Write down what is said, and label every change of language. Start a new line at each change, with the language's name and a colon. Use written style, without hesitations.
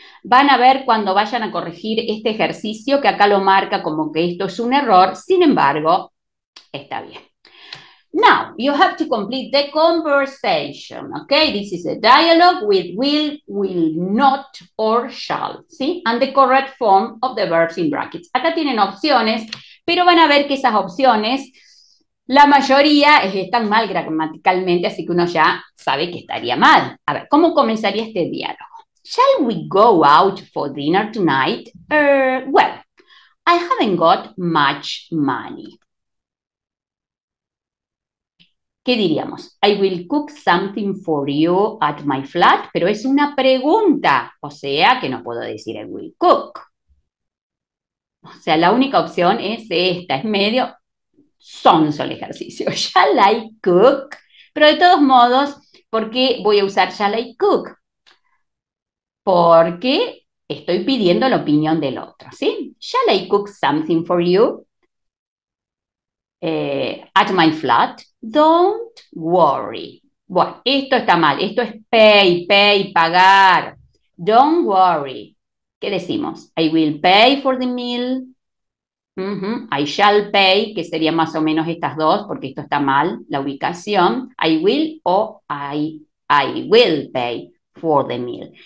Spanish: Van a ver cuando vayan a corregir este ejercicio que acá lo marca como que esto es un error. Sin embargo, está bien.
English: Now, you have to complete the conversation, okay? This is a dialogue with will not, or shall, ¿sí? And the correct form of the verbs in brackets.
Spanish: Acá tienen opciones, pero van a ver que esas opciones, la mayoría están mal gramaticalmente, así que uno ya sabe que estaría mal. A ver, ¿cómo comenzaría este diálogo?
English: Shall we go out for dinner tonight? Well, I haven't got much money.
Spanish: ¿Qué diríamos?
English: I will cook something for you at my flat,
Spanish: pero es una pregunta, o sea, que no puedo decir
English: I will cook.
Spanish: O sea, la única opción es esta, es medio sonso el ejercicio.
English: Shall I cook?
Spanish: Pero de todos modos, ¿por qué voy a usar
English: shall I cook?
Spanish: Porque estoy pidiendo la opinión del otro, ¿sí?
English: Shall I cook something for you at my flat? Don't worry.
Spanish: Bueno, esto está mal. Esto es pay, pagar.
English: Don't worry.
Spanish: ¿Qué decimos?
English: I will pay for the meal. I shall pay,
Spanish: que sería más o menos estas dos, porque esto está mal, la ubicación.
English: I will o I will pay for the meal.